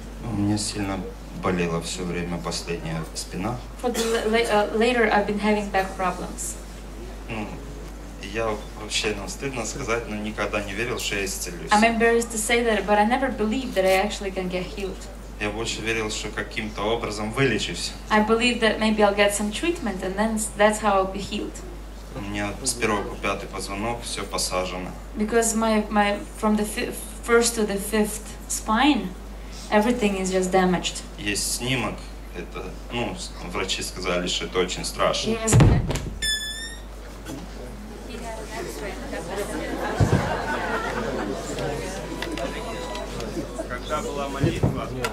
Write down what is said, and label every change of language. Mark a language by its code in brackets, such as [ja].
[ru] У меня сильно болела всё время последняя спина. [en] For the later I've been having back problems. [ru] Я вообще, ну, стыдно сказать, но никогда не верил, что я исцелюсь. [en] I'm embarrassed to say that, but I never believed that I actually can get healed. [ru] Я больше верил, что каким-то образом вылечусь. [en] I believed that maybe I'll get some treatment and then that's how I'll be healed. [ru] У меня с первого по пятый позвонок все посажено. [en] Because my from the first to the fifth spine, everything is just damaged. [ru] Есть снимок, это, ну, врачи сказали, что это очень страшно. [en] Yes. [ru] Молитва.